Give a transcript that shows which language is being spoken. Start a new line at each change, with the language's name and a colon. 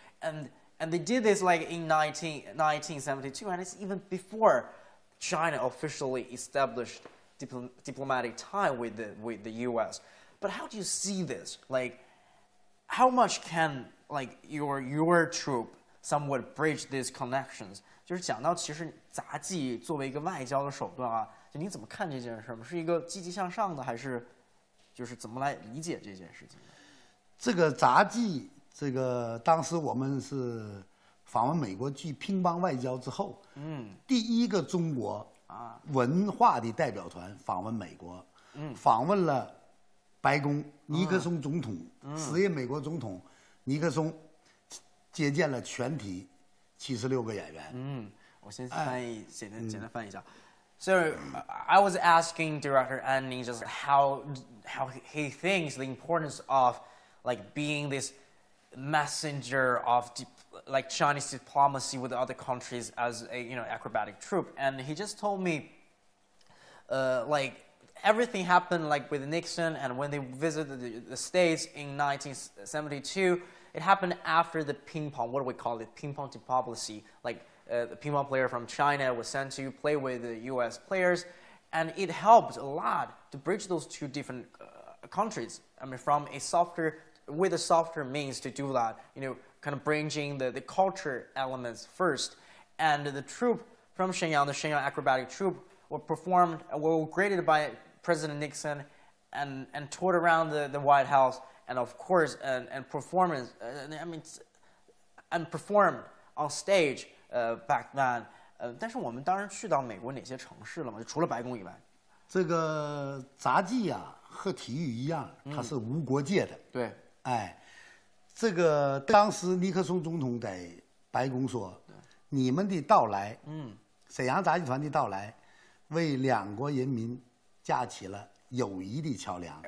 English: And they did this like in 1972, and it's even before China officially established diplomatic tie with the U.S. But how do you see this? Like, how much can like your troop somewhat bridge these connections?
Chinese: 就是讲到其实杂技作为一个外交的手段啊，就你怎么看这件事吗？是一个积极向上的，还是就是怎么来理解这件事情？这个杂技，这个当时我们是访问美国，去乒乓外交之后，嗯，第一个中国啊文化的代表团访问美国，嗯，访问了白宫尼克松总统，时任美国总统尼克松接见了全体76个演员。嗯，我先翻译，简单翻译一下。
English: So I was asking Director Anning just how he thinks the importance of like being this messenger of like Chinese diplomacy with other countries as a you know acrobatic troupe, and he just told me like everything happened like with Nixon and when they visited the States in 1972, it happened after the ping pong, what do we call it, ping pong diplomacy, like. The ping pong player from China was sent to play with the U.S. players, and it helped a lot to bridge those two different countries. I mean, from a softer, with a softer means to do that, you know, kind of bridging the culture elements first. And the troupe from Shenyang, the Shenyang Acrobatic Troupe, were performed, were graded by President Nixon, and toured around the White House, and of course, and performance, I mean, and performed on stage. Back then,
Chinese: 但是我们当然去到美国哪些城市了嘛？就除了白宫以外，这个杂技啊和体育一样，它是无国界的。嗯、对，哎，这个当时尼克松总统在白宫说：“你们的到来，嗯，沈阳杂技团的到来，为两国人民架起了友谊的桥梁。